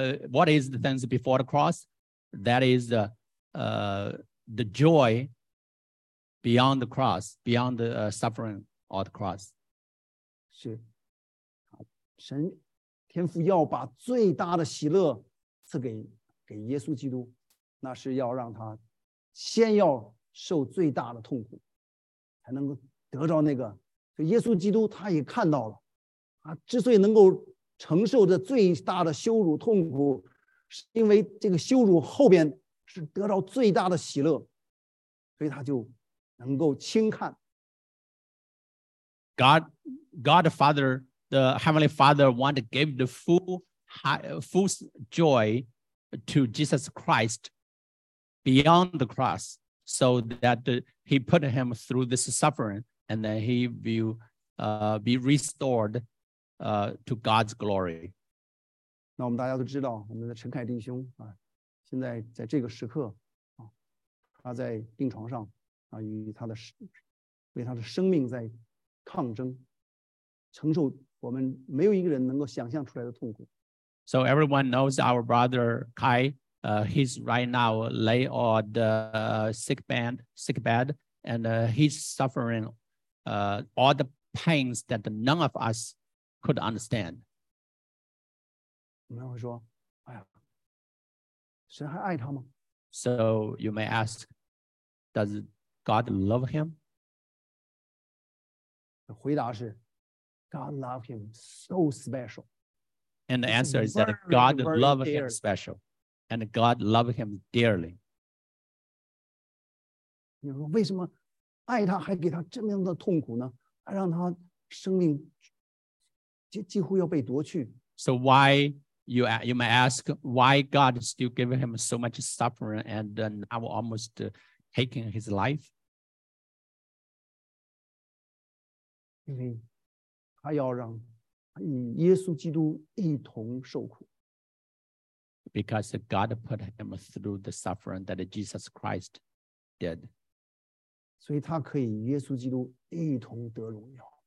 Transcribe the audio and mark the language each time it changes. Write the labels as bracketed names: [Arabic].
[English] What is the things before the cross? That is the joy beyond the cross, beyond the suffering or the cross. Sure. [Chinese] 神天父要把最大的喜乐赐给耶稣基督，那是要让他先要受最大的痛苦才能够得着那个。所以耶稣基督他也看到了，他之所以能够承受这最大的羞辱痛苦，是因为这个羞辱后边是得到最大的喜乐，所以他就能够轻看。 [English] God the FatherThe Heavenly Father wanted to give the full joy to Jesus Christ beyond the cross so that he put him through this suffering and then he will be restored to God's glory. [Chinese] 那我们大家都知道，我们的陈凯弟兄啊，现在在这个时刻啊，他在病床上啊，与他的为他的生命在抗争，承受。我们没有一个人能够想象出来的痛苦。 [English] So everyone knows our brother Kai. He's right now lay on the sick bed, and he's suffering all the pains that none of us could understand. [Chinese] 我们会说，哎呀，神还爱他吗 [English] ？So you may ask, does God love him? [Chinese] 回答是。 [English] God loved him so special. And the answer is that God loved him special. And God loved him dearly. [Chinese] 你说为什么爱他还给他这么样的痛苦呢？还让他生命 几乎要被夺去。 [English] So why, you may ask, why God still giving him so much suffering and now almost taking his life? [Chinese] 因为他要让与耶稣基督一同受苦。 [English] Because God put him through the suffering that Jesus Christ did. [Chinese] 所以他可以与耶稣基督一同得荣耀。